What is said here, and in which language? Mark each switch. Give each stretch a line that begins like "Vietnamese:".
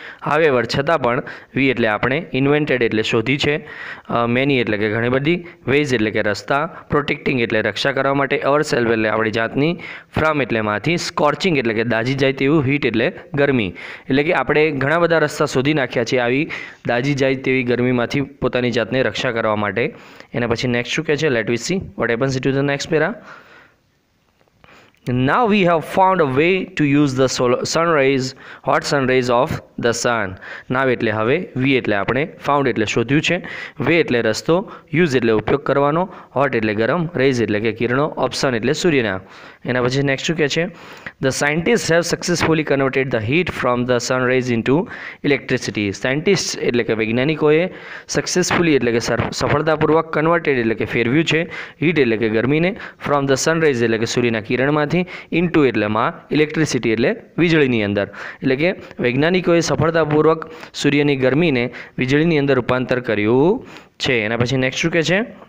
Gujarati: However, छता पण we એટલે આપણે invented એટલે શોધી છે many એટલે કે ઘણી બધી ways એટલે કે રસ્તા protecting એટલે રક્ષા કરવા માટે ourselves એટલે આપણી જાતની from એટલે માંથી scorching એટલે કે દાજી જાય તેવું heat એટલે ગરમી એટલે કે આપણે ઘણા બધા રસ્તા શોધી નાખ્યા છે આવી દાજી જાય તેવી ગરમી માંથી પોતાની જાતને રક્ષા કરવા માટે એને પછી next શું કહે છે
English: let us see what happens to the next para. Now we have found a way to use the sunrays, hot sunrays of the sun.
Gujarati: Now એટલે હવે we એટલે આપણે found એટલે શોધ્યું છે, way એટલે રસ્તો, use એટલે ઉપયોગ કરવાનો, hot એટલે ગરમ, rays એટલે કે કિરણો, of sun એટલે સૂર્યના. એના પછી next શું કહે છે?
English: The scientists have successfully converted the heat from the sun rays into electricity.
Gujarati: Scientists એટલે કે વૈજ્ઞાનિકોએ successfully એટલે કે સફળતાપૂર્વક converted એટલે કે ફેરવ્યું છે heat એટલે કે ગરમીને from the sun rays એટલે કે સૂર્યના કિરણ into એટલે માં electricity એટલે વીજળીની અંદર એટલે કે વૈજ્ઞાનિકોએ સફળતાપૂર્વક સૂર્યની ગરમીને વીજળીની અંદર રૂપાંતર કર્યું છે એના પછી નેક્સ્ટ શું કહે છે